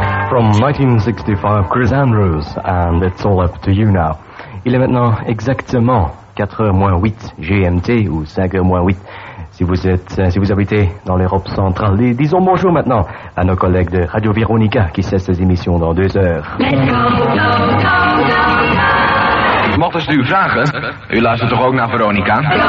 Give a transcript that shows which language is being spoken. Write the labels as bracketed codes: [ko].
[en] From 1965, Chris Andrews, and it's all up to you now. [fr] Il est maintenant exactement 4h-8 GMT, ou 5h-8, si vous habitez dans l'Europe centrale. Disons bonjour maintenant à nos collègues de Radio Véronica qui cessent ses émissions dans 2 heures. [nl] Mochten ze u vragen, u luistert toch ook naar Veronica?